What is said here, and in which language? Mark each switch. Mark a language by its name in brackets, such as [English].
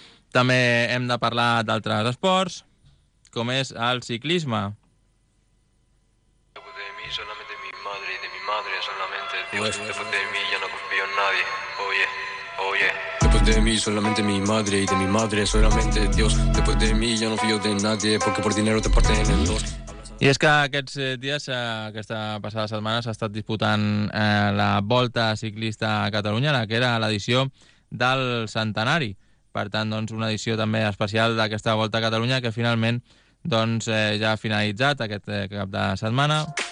[Catalan] També hem de parlar d'altres esports, com és el ciclisme. [Spanish] De mi, solamente mi madre y de mi madre, solamente Dios. Después de mi, ya no confío en nadie. Oye, oye. Después de mí solamente mi madre y de mi madre solamente Dios. Después de mí ya no fío de nadie porque por dinero te parten en dos. [Catalan] I és que aquests dies, aquesta passada setmana, s'ha estat disputant la Volta Ciclista a Catalunya, que era l'edició del centenari. Per tant, doncs, una edició també especial d'aquesta Volta a Catalunya, que finalment doncs, ja ha finalitzat aquest cap de setmana.